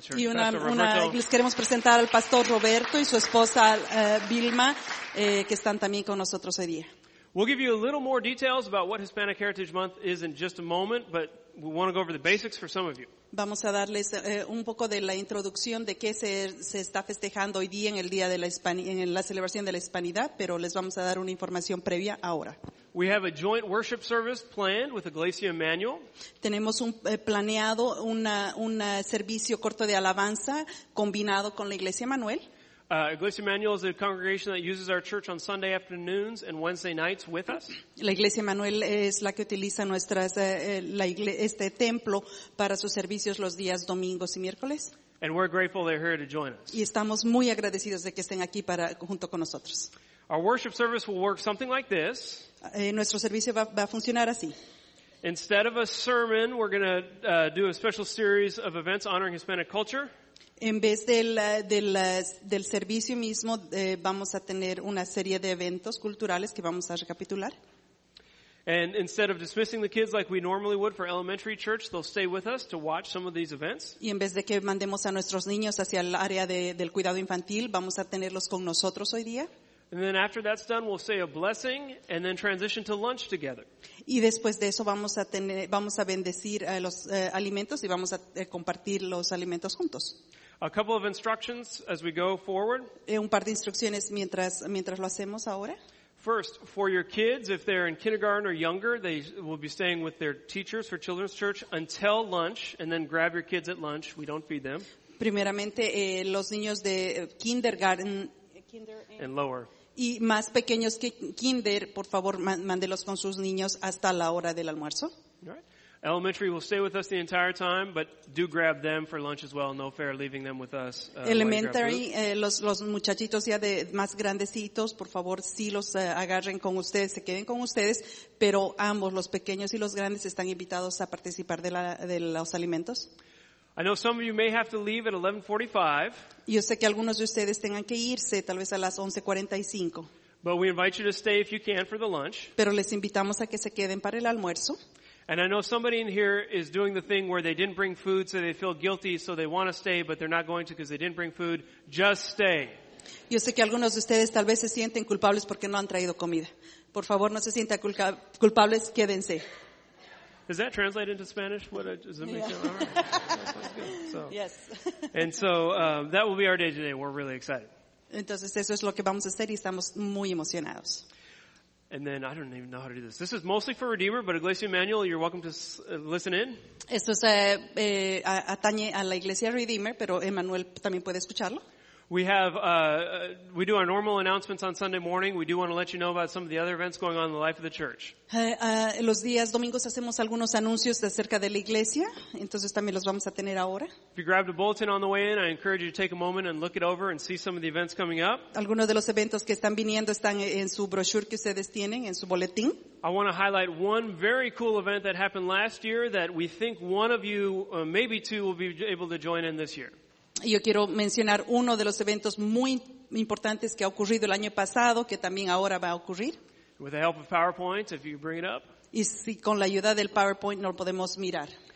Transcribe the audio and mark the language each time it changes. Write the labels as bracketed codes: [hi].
[es] Y una, les queremos presentar al Pastor Roberto y su esposa Vilma, que están también con nosotros hoy día. [en] We'll give you a little more details about what Hispanic Heritage Month is in just a moment, but we want to go over the basics for some of you. [es] Vamos a darles un poco de la introducción de qué se está festejando hoy día en el día de la celebración de la Hispanidad, pero les vamos a dar una información previa ahora. [en] We have a joint worship service planned with Iglesia Emmanuel. [es] Tenemos planeado un servicio corto de alabanza combinado con la Iglesia Emmanuel. [en] Iglesia Emmanuel is a congregation that uses our church on Sunday afternoons and Wednesday nights with us. [es] La Iglesia Emmanuel es la que utiliza este templo para sus servicios los días domingos y miércoles. [en] And we're grateful they're here to join us. [es] Y estamos muy agradecidos de que estén aquí para junto con nosotros. [en] Our worship service will work something like this. [es] Nuestro servicio va a funcionar así. [en] Instead of a sermon, we're going to do a special series of events honoring Hispanic culture. [es] En vez del servicio mismo, vamos a tener una serie de eventos culturales que vamos a recapitular. [en] And instead of dismissing the kids like we normally would for elementary church, they'll stay with us to watch some of these events. [es] Y en vez de que mandemos a nuestros niños hacia el área del cuidado infantil, vamos a tenerlos con nosotros hoy día. [en] And then after that's done, we'll say a blessing and then transition to lunch together. [es] Y después de eso vamos a bendecir los alimentos y vamos a compartir los alimentos juntos. [en] A couple of instructions as we go forward. [es] Un par de instrucciones mientras lo hacemos ahora. [en] First, for your kids, if they're in kindergarten or younger, they will be staying with their teachers for children's church until lunch, and then grab your kids at lunch. We don't feed them. [es] Primeramente, los niños de kindergarten [en] kinder and lower. [es] Y más pequeños que kinder, por favor, mándelos con sus niños hasta la hora del almuerzo. [en] Elementary will stay with us the entire time, but do grab them for lunch as well. No fair leaving them with us. [es] Elementary, los muchachitos ya de más grandecitos, por favor, sí los agarren con ustedes, se queden con ustedes, pero ambos, los pequeños y los grandes, están invitados a participar de los alimentos. [en] I know some of you may have to leave at 11:45. [es] Yo sé que algunos de ustedes tengan que irse, tal vez a las 11:45. [en] But we invite you to stay if you can for the lunch. [es] Pero les invitamos a que se queden para el almuerzo. [en] And I know somebody in here is doing the thing where they didn't bring food, so they feel guilty, so they want to stay, but they're not going to because they didn't bring food. Just stay. [es] Yo sé que algunos de ustedes tal vez se sienten culpables porque no han traído comida. Por favor, no se sientan culpables, quédense. [en] Does that translate into Spanish? What does it mean? Yeah. So, yes. And so that will be our day today. We're really excited. [es] Entonces eso es lo que vamos a hacer y estamos muy emocionados. [en] And then I don't even know how to do this. This is mostly for Redeemer, but Iglesia Emmanuel, you're welcome to listen in. [es] Esto es atañe a la Iglesia Redeemer, pero Emmanuel también puede escucharlo. [en] We do our normal announcements on Sunday morning. We do want to let you know about some of the other events going on in the life of the church. [es] Los días domingos hacemos algunos anuncios acerca de la iglesia, entonces también los vamos a tener ahora. [en] If you grabbed a bulletin on the way in, I encourage you to take a moment and look it over and see some of the events coming up. [es] Algunos de los eventos que están viniendo están en su brochure que ustedes tienen, en su boletín. [en] I want to highlight one very cool event that happened last year that we think one of you, maybe two, will be able to join in this year. [es] Yo quiero mencionar uno de los eventos muy importantes que ha ocurrido el año pasado, que también ahora va a ocurrir. [en] With the help of PowerPoint, if you bring it up. [es] Y si con la ayuda del PowerPoint no lo podemos mirar.